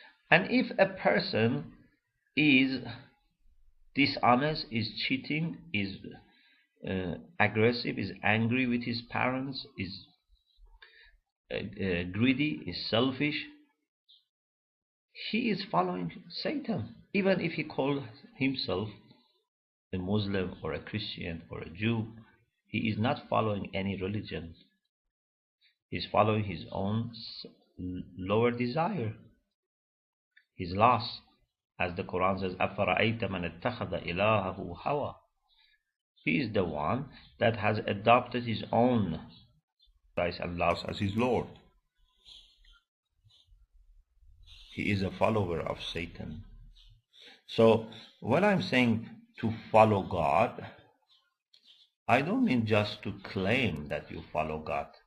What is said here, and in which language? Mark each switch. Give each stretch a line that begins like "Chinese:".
English: And if a person is dishonest, is cheating, is aggressive, is angry with his parents, is greedy, is selfish, he is following Satan. Even if he calls himself a Muslim or a Christian or a Jew, he is not following any religion. He is following his own lower desire, his lust. As the Quran says,
Arabic: أَفَرَأَيْتَ مَنَ اتَّخَذَ إِلَاهَهُ هَوَى.
English: He is the one that has adopted his own Christ and lust as his Lord. He is a follower of Satan. So when I'm saying to follow God, I don't mean just to claim that you follow God.